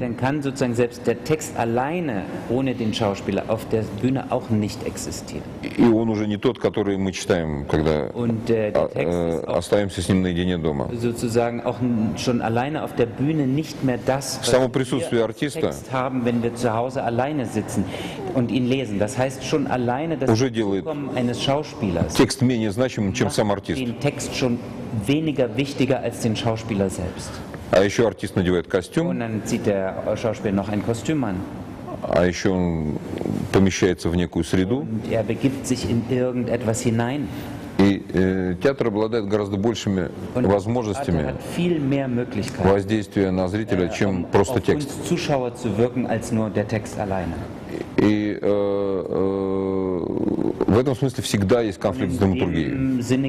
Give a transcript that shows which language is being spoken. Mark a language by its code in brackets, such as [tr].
[de] Dann kann sozusagen selbst der Text alleine ohne den Schauspieler auf der Bühne auch nicht existieren. [ru] И он уже не тот, который мы читаем, когда остаемся с ним наедине дома. [de] Sozusagen auch schon alleine auf der Bühne nicht mehr das, [ru] само присутствие артиста, [de] Text haben, wenn wir zu Hause alleine sitzen und ihn lesen. Das heißt schon alleine das Zukommen eines Schauspielers. [ru] Текст менее значимым, чем сам артист. [de] Den Text schon weniger wichtiger als den Schauspieler selbst. [ru] А еще артист надевает костюм. [de] Und dann zieht der Schauspieler noch ein Kostüm an. [ru] А еще он помещается в некую среду. [de] Und er begibt sich in irgendetwas hinein. [ru] И театр обладает гораздо большими [de] Und [ru] возможностями [de] hat viel mehr Möglichkeiten, [ru] воздействия на зрителя, чем просто текст. [de] Auf uns Zuschauer zu wirken, als nur der Text alleine. [ru] И в этом смысле всегда есть конфликт с драматургией.